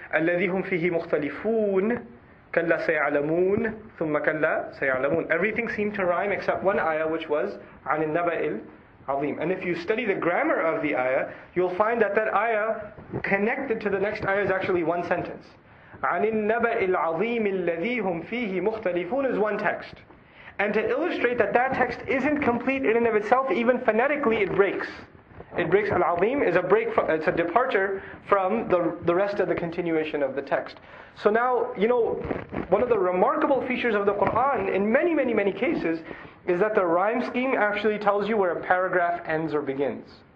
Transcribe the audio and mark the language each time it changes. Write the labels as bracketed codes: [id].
[ar] الَّذِي هُمْ فِيهِ مُخْتَلِفُونَ كلا سيعلمون ثم كلا سيعلمون. [en] Everything seemed to rhyme except one ayah, which was [ar] عن النبأ العظيم. [en] And if you study the grammar of the ayah, you'll find that that ayah connected to the next ayah is actually one sentence. [ar] عن النبأ العظيم الذي هم فيه مختلفون [en] is one text. And to illustrate that that text isn't complete in and of itself, even phonetically it breaks. It breaks al-azim is a break from, it's a departure from the rest of the continuation of the text. So now, you know, one of the remarkable features of the Quran in many, many, many cases is that the rhyme scheme actually tells you where a paragraph ends or begins.